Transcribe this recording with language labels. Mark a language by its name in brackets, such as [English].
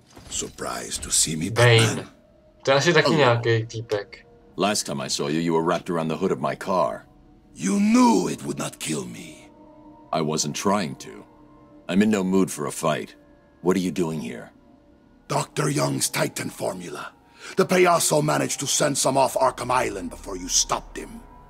[English] Surprised to see me, Bane. [Czech] To je asi taky nějaký týpek. [English] Last time I saw you, you were wrapped around the hood of my car. You knew it would not kill me. I wasn't trying to. I'm in no mood for a fight. What are you doing here? Dr. Young's Titan formula. The Payaso managed to send some off Arkham Island before you stopped him.